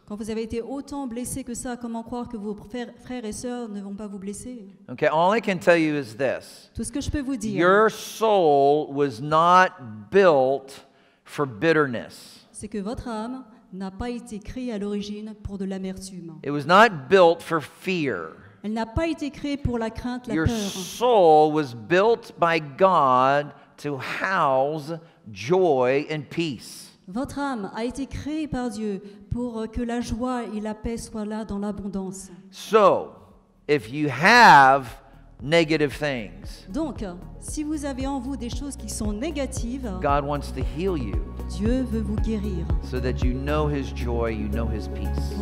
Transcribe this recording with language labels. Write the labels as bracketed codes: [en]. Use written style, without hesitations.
[fr] Quand vous avez été autant blessé que ça, comment croire que vos frères et sœurs ne vont pas vous blesser? [en] Okay, all I can tell you is this. [fr] Tout ce que je peux vous dire. [en] Your soul was not built for bitterness. [fr] C'est que votre âme n'a pas été créée à l'origine pour de l'amertume. [en] It was not built for fear. [fr] Elle n'a pas été créée pour la crainte, la [en] your [fr] peur. [en] Your soul was built by God to house joy and peace. [fr] Votre âme a été créée par Dieu pour que la joie et la paix soient là dans l'abondance. [en] So, if you have negative things, [fr] donc, si vous avez en vous des choses qui sont négatives, [en] God wants to heal you. [fr] Dieu veut vous guérir. [en] So that you know His joy, you know His peace.